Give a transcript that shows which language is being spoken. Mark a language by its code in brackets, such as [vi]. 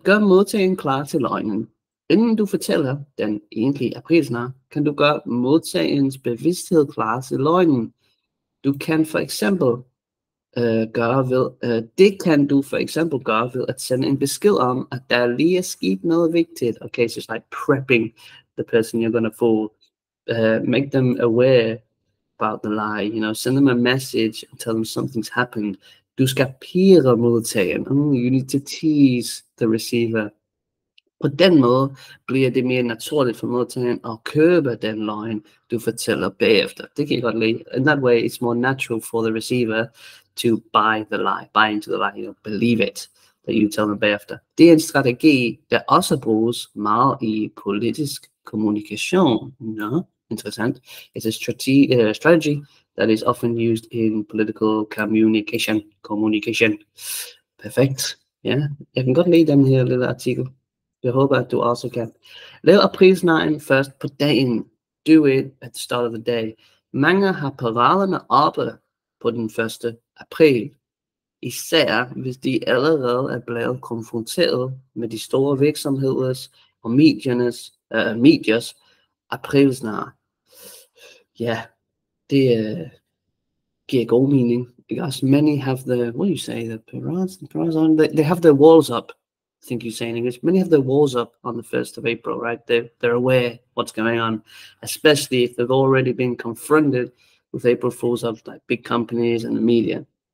[da] Gør modtageren klar til løgnen. Inden du fortæller den egentlige aprilsnar, kan du gøre modtagerens bevidsthed klar til løgnen. Du kan for eksempel gøre ved at sende en besked om, at der lige er sket noget vigtigt. [en] Okay, so it's like prepping the person you're gonna fool. Make them aware about the lie, you know, send them a message and tell them something's happened. [da] Du skal pirre modtageren. [en] You need to tease the receiver. [da] På den måde bliver det mere naturligt for modtageren at købe den løgn, du fortæller bagefter. Det kan jeg godt lide. [en] In that way, it's more natural for the receiver to buy the lie, buy into the lie, you know, believe it, that you tell them bagefter. [da] Det er en strategi, der også bruges meget i politisk communication. No, interessant. [en] It's a strategy that is often used in political communication. Perfect. [da] Yeah, jeg kan godt lide den her lille artikel. Jeg håber, at du også kan. Lav aprilsnaren først på dagen. [en] Do it at the start of the day. [da] Mange har paraderne oppe på den 1. april. Især hvis de allerede er blevet konfronteret med de store virksomheders og mediernes medias aprilsnar. Yeah, det giver god mening. [en] Because many have they have their walls up, I think you say in English. Many have their walls up on the 1st of April, right? They're aware what's going on, especially if they've already been confronted with April Fools of like big companies and the media.